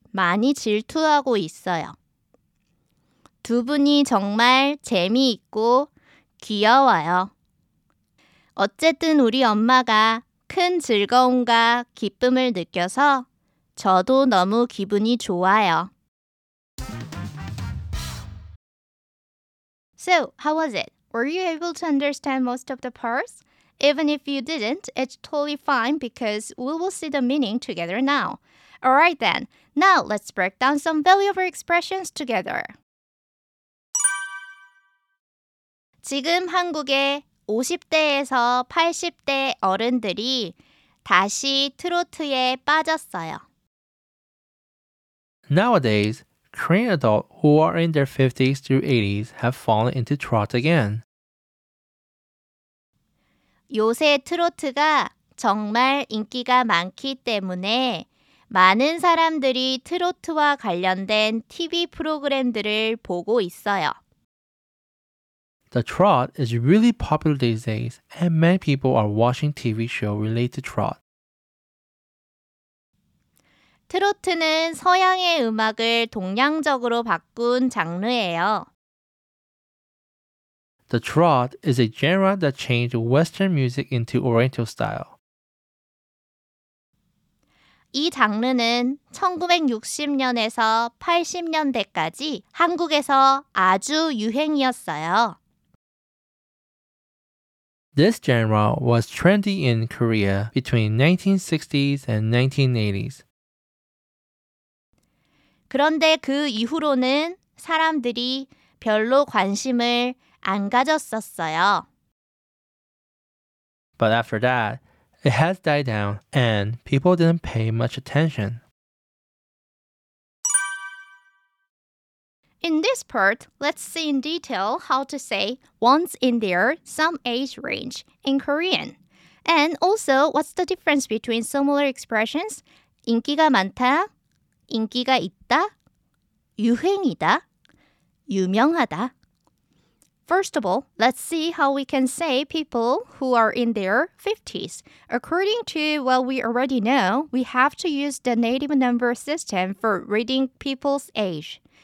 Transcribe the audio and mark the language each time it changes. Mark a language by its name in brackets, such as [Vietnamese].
[Korean] 많이 질투하고 있어요. 두 분이 정말 재미있고 귀여워요. 어쨌든 우리 엄마가 큰 즐거움과 기쁨을 느껴서 저도 너무 기분이 좋아요. [English] So, how was it? Were you able to understand most of the parts? Even if you didn't, it's totally fine because we will see the meaning together now. Alright then, now let's break down some valuable expressions together. [Korean] 지금 한국에 50대에서 80대 어른들이 다시 트로트에 빠졌어요. [English] Nowadays, Korean adults who are in their 50s through 80s have fallen into trot again. [Korean] 요새 트로트가 정말 인기가 많기 때문에 많은 사람들이 트로트와 관련된 TV 프로그램들을 보고 있어요. [English] The trot is really popular these days, and many people are watching TV shows related to trot. [Korean] 트로트는 서양의 음악을 동양적으로 바꾼 장르예요. [English] The trot is a genre that changed Western music into Oriental style. [Korean] 이 장르는 1960년에서 80년대까지 한국에서 아주 유행이었어요. [English] This genre was trendy in Korea between 1960s and 1980s. [Korean] 그런데 그 이후로는 사람들이 별로 관심을 안 가졌었어요. [English] But after that, it has died down and people didn't pay much attention. In this part, let's see in detail how to say once in their some age range in Korean. And also, what's the difference between similar expressions? [Korean] 인기가 많다, 인기가 있다, 유행이다, 유명하다. [English] First of all, let's see how we can say people who are in their 50s. According to what we already know, we have to use the native number system for reading people's age.